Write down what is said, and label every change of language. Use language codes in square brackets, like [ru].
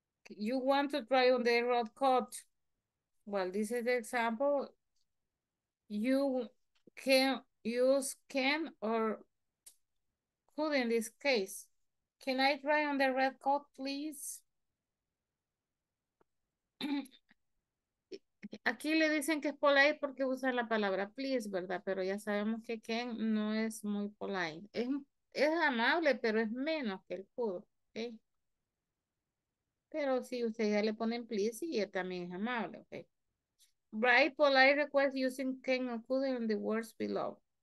[en] You want to try on the road code? Well, this is the example. You can use can or could in this case. Can I try on the red coat, please? [es] Aquí le dicen que es polite porque usan la palabra please, ¿verdad? Pero ya sabemos que can no es muy polite. Es amable, pero es menos que el could, ¿okay? Pero si ustedes ya le ponen please, y él también es amable, ¿okay? [en] Write polite request using can or could in the words below.